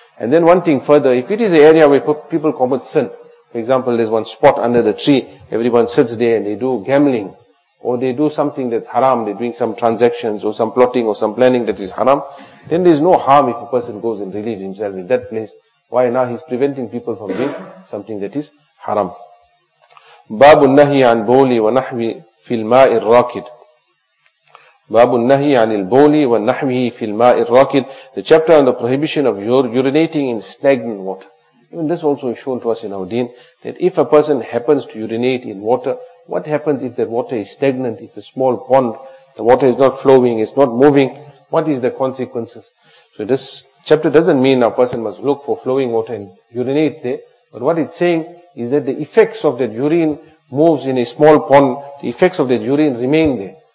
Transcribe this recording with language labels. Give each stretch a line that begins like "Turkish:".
English: And then one thing further, if it is an area where people commit sin, for example, there's one spot under the tree, everyone sits there and they do gambling, or they do something that's haram, they're doing some transactions or some plotting or some planning that is haram, then there's no harm if a person goes and relieves himself in that place. Why now? He's preventing people from doing something that is haram.
Arabic: باب النهي عن بولي ونحوي في الماء الراكد. باب النهي عن البولي ونحوي في الماء الراكد.
English: The chapter on the prohibition of urinating in stagnant water. Even this also is shown to us in our deen, that if a person happens to urinate in water, what happens if the water is stagnant, if a small pond, the water is not flowing, it's not moving, what is the consequences? So this chapter doesn't mean a person must look for flowing water and urinate there, but what it's saying is that the effects of that urine moves in a small pond, the effects of that urine remain there.